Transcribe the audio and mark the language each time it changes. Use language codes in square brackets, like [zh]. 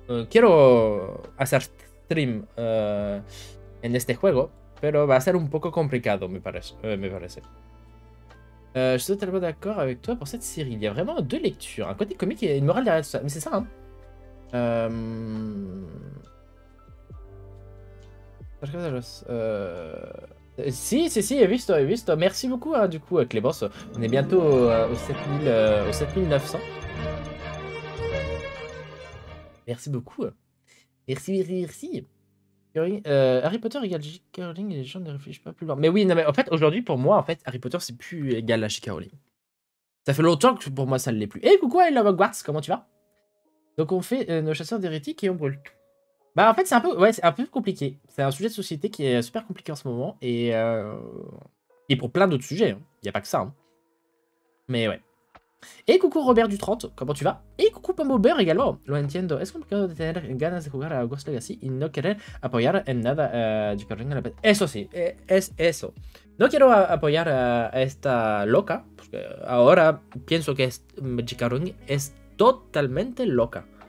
[es] Quiero hacer stream en este juego, pero va a ser un poco complicado, me parece. [fr] Je suis totalement d'accord avec toi pour cette série. Il y a vraiment deux lectures, un côté comique et une morale derrière tout ça. Mais c'est ça, hein. [es] Si, he visto. [fr] Merci beaucoup, hein, du coup, Clémence. On est bientôt au 7900. Merci beaucoup. Merci. Harry Potter égale J.K. Rowling et les gens ne réfléchissent pas plus loin. Mais oui, non, mais en fait, aujourd'hui, pour moi, en fait, Harry Potter, c'est plus égal à J.K. Rowling. Ça fait longtemps que pour moi, ça ne l'est plus. Hé, hey, coucou, I love Hogwarts, comment tu vas? Donc, on fait nos chasseurs d'hérétiques et on brûle tout. Bah, en fait, c'est un peu compliqué. C'est un sujet de société qui est super compliqué en ce moment. Et pour plein d'autres sujets. Il n'y a pas que ça. Hein. Mais ouais. Et coucou Robert du 30, comment tu vas? Et coucou Pombo Beurre également. [es] Lo entiendo. Es complicado de tener ganas de jugar a Ghost Legacy y no querer apoyar en nada de que venga la peste. Eso sí, es eso. No quiero apoyar a esta loca, porque ahora pienso que Jikarung es totalmente loca.